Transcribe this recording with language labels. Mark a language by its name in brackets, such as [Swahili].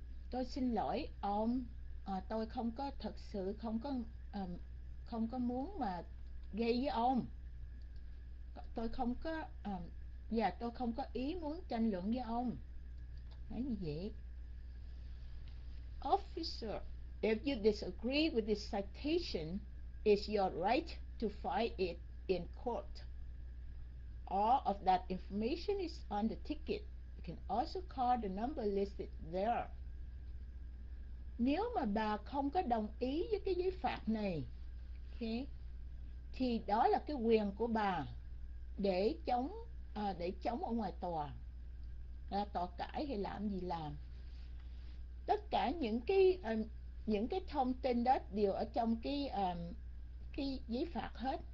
[Vietnamese] Tôi xin lỗi ông, tôi không có thật sự không có không có muốn mà gây với ông. Tôi không có và tôi không có ý muốn tranh luận với ông." Nói như vậy. [English] "Officer, if you disagree with this citation, it's your right to file it in court. All of that information is on the ticket. You can also call the number listed there." [Vietnamese] Nếu mà bà không có đồng ý với cái giấy phạt này, okay, thì đó là cái quyền của bà để chống ở ngoài tòa, ra tòa cãi hay làm gì làm. Tất cả những cái thông tin đó đều ở trong cái giấy phạt hết.